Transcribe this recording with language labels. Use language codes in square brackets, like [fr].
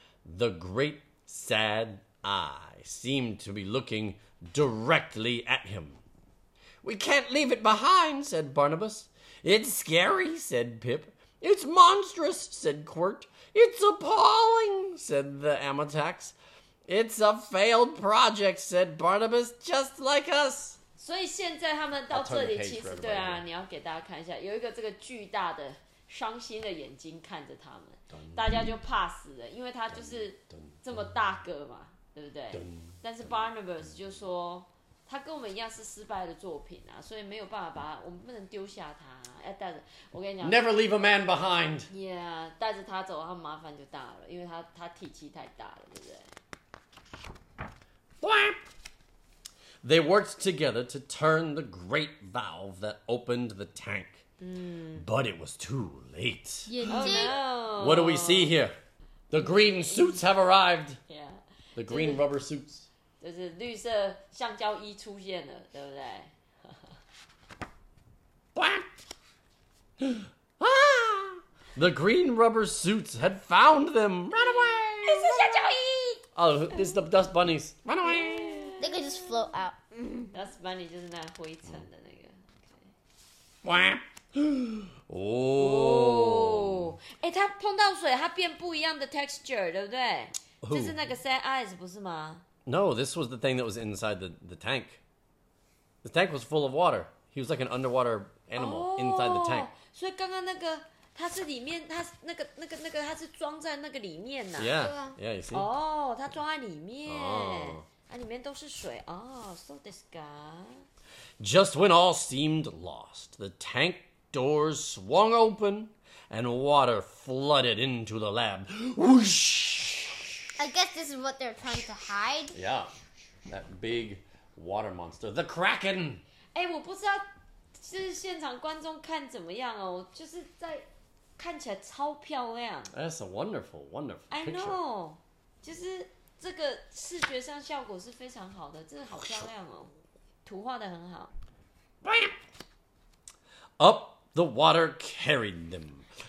[en] The great sad eye seemed to be looking directly at him. We can't leave it behind, said Barnabas. It's scary, said Pip. It's monstrous, said Quirt. It's appalling, said the Amatax. It's a failed project, said Barnabas, just like us. [zh] 所以现在他们到这里其实对啊，你要给大家看一下，有一个这个巨大的伤心的眼睛看着他们。大家就怕死了，因为他就是这么大个嘛，对不对？但是 Barnabas 就说，他跟我们一样是失败的作品啊，所以没有办法把他，我们不能丢下他，要带着。我跟你讲 [en] ，Never leave a man behind. Yeah, [zh] 带着他走，他麻烦就大了，因为他体积太大了，对不对 [en] ？They worked together to turn the great valve that opened the tank. But it was too late. Oh, no. What do we see here? The green suits have arrived. Yeah. The green rubber suits. [zh] 就是绿色橡胶衣出现了，对不对？ [en] The green rubber suits had found them. Run away! [zh] 绿色橡胶衣! [en] Oh, it's the dust bunnies. Run away! They could just float out. [zh] Dust bunny 就是那灰尘的那个。 [en] Okay. [zh] 哦，哎，它碰到水，它变不一样的 texture， 对不对？这是那个 sad eyes， 不是吗 [en] ？No, this was the thing that was inside the tank. The tank was full of water. He was like an underwater animal inside the tank. [zh] 所以刚刚那个它是里面，它那个它是装在那个里面呐、啊。 [en] Yeah, [zh] 对啊 [en] yeah, you see. [zh] 哦，它装在里面，啊，里面都是水哦 [en] so this guy. Just when all seemed lost, the tank doors swung open and water flooded into the lab. Whoosh! I guess this is what they're trying to hide. Yeah, that big water monster, the Kraken! [zh] 哎，我不知道，就是现场观众看怎么样哦，就是在看起来超漂亮。 [en] That's a wonderful, wonderful picture. I know, [zh] 就是这个视觉上效果是非常好的，真的好漂亮哦。图画得很好。 [en] Up the water carried them.